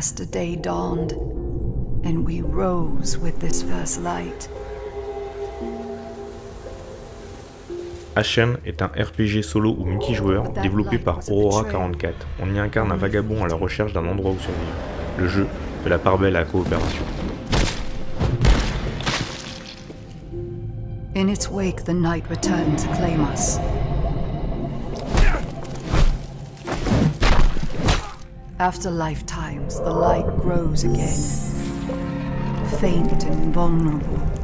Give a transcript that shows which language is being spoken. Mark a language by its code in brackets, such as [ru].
[en] Day dawned, and we rose with this first light. [fr] Ashen est un RPG solo ou multijoueur développé par Aurora 44. On y incarne un vagabond à la recherche d'un endroit où survivre. Le jeu fait la part belle à la coopération. [en] In its wake, the night returned to claim us. After lifetimes, the light grows again, faint and vulnerable.